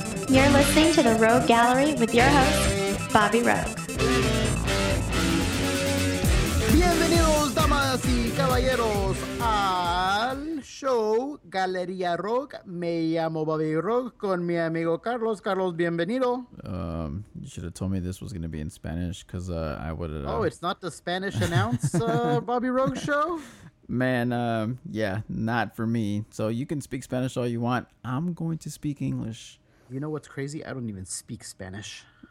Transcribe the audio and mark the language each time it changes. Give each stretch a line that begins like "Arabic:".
English: You're listening to The Rogue Gallery with your host, Bobby Rogue.
Spanish: Bienvenidos, damas y caballeros, al show Galería Rogue. Me llamo Bobby Rogue con mi amigo Carlos. Carlos, bienvenido.
English: You should have told me this was going to be in Spanish because I would have... Oh, it's not the Spanish announce Bobby Rogue show? Man, yeah, not for me. So you can speak Spanish all you want. I'm going to speak English. You know what's crazy? I don't even speak Spanish.